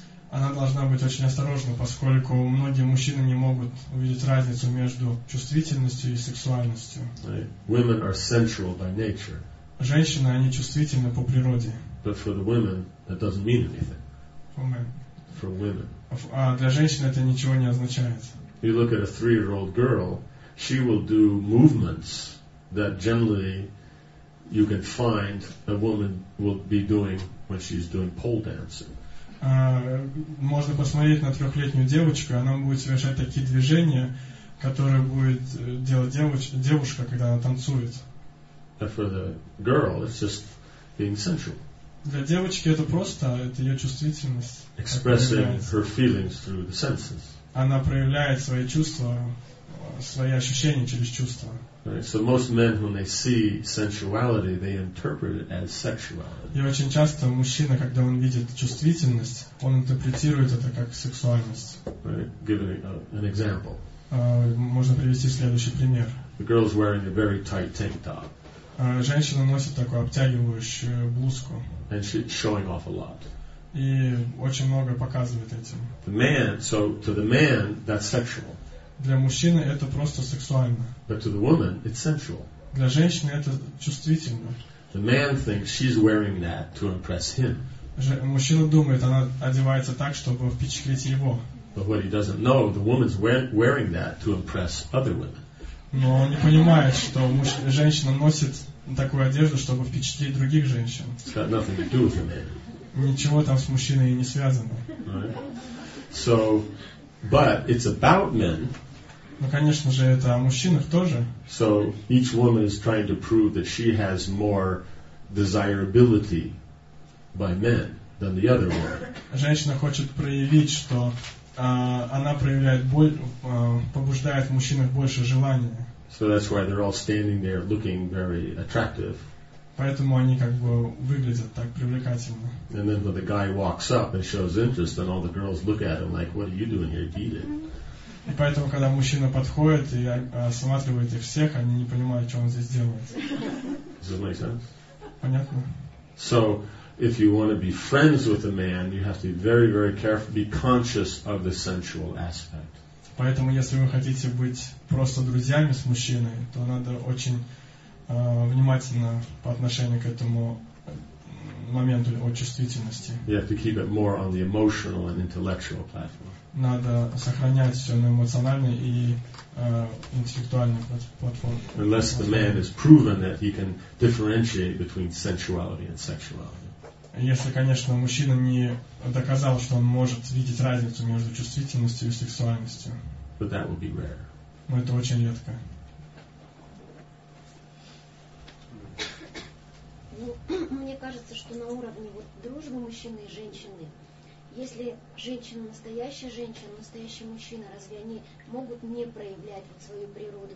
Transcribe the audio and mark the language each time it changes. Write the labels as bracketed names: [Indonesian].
[Russian] Она должна быть очень осторожна, поскольку многие мужчины не могут увидеть разницу между чувствительностью и сексуальностью. [English] Right. Women are sensual by nature. [Russian] Женщины, они чувствительны по природе. [English] But for the women, that doesn't mean anything. For men. For women. [Russian] А для женщин это ничего не означает. [English] You look at a three-year-old girl, she will do movements that generally you can find a woman will be doing when she's doing pole dancing. [Russian] Можно посмотреть на трехлетнюю девочку, она будет совершать такие движения, которые будет делать девушка, когда она танцует. [English] And for the girl, it's just being sensual. [Russian] Для девочки это просто, это ее чувствительность. [English] Expressing her feelings through the senses. [Russian] Она проявляет свои чувства, свои ощущения через чувства. [English] Right. So most men, when they see sensuality, they interpret it as sexuality. [Russian] И очень часто мужчина, когда он видит чувствительность, он интерпретирует это как сексуальность. [English] Right. Give an example. [Russian] Можно привести следующий пример. [English] The girl's wearing a very tight tank top. [Russian] Женщина носит такую обтягивающую блузку. [English] And she's showing off a lot. [Russian] И очень много показывает этим. [English] The man, so to the man, that's sexual. [Russian] Для мужчины это просто сексуально. [English] But to the woman, it's sensual. [Russian] Для женщины это чувствительно. [English] The man thinks she's wearing that to impress him. [Russian] Мужчина думает, она одевается так, чтобы впечатлить его. [English] But what he doesn't know, the woman's wearing that to impress other women. [Russian] Но он не понимает, что женщина носит такую одежду, чтобы впечатлить других женщин. [English] It's got nothing to do with the man. [Russian] Ничего там с мужчиной не связано. [English] Right. So, but it's about men. [Russian] Ну, конечно же, это о мужчинах тоже. [English] So each woman is trying to prove that she has more desirability by men than the other one. [Russian] Женщина хочет проявить, что она проявляет побуждает в мужчинах больше желания. [English] So that's why they're all standing there looking very attractive. [Russian] Поэтому они как бы выглядят так привлекательно. [English] And then when the guy walks up and shows interest, then all the girls look at him like, "What are you doing here, Dita?" [Russian] И поэтому, когда мужчина подходит и осматривает их всех, они не понимают, что он здесь делает. [English] Does that make sense? [Russian] Понятно. [English] So, if you want to be friends with a man, you have to be very, very careful, be conscious of the sensual aspect. [Russian] Поэтому, если вы хотите быть просто друзьями с мужчиной, то надо очень внимательно по отношению к этому моменту о чувствительности. [English] You have to keep it more on the emotional and intellectual platform. [Russian] Надо сохранять все на эмоциональной и интеллектуальной платформе. [English] Unless the man has proven that he can differentiate between sensuality and sexuality. [Russian] Если, конечно, мужчина не доказал, что он может видеть разницу между чувствительностью и сексуальностью. [English] But that will be rare. [Russian] Но это очень редко. Мне кажется, что на уровне дружбы мужчины и женщины, если женщина настоящая женщина, настоящий мужчина, разве они могут не проявлять вот свою природу?